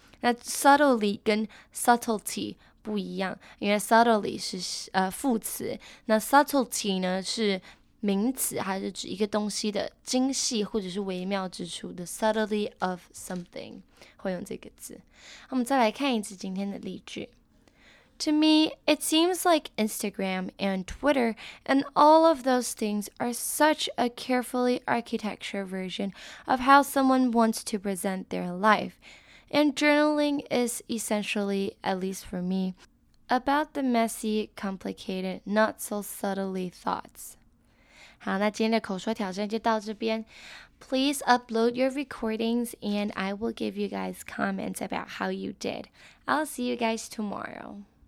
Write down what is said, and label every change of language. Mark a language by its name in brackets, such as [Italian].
[Chinese] 那 subtly 跟 subtlety。不一样，因为 subtly 是副词，那 subtlety 呢是名词，还是指一个东西的精细或者是微妙之处 ， [English] the subtlety of something， [Chinese] 会用这个字。我们再来看一次今天的例句。 [English] To me, it seems like Instagram and Twitter and all of those things are such a carefully architectured version of how someone wants to present their life. And journaling is essentially, at least for me, about the messy, complicated, not so subtly thoughts. [Chinese] 好，那今天的口说挑战就到这边。 [English] Please upload your recordings and I will give you guys comments about how you did. I'll see you guys tomorrow.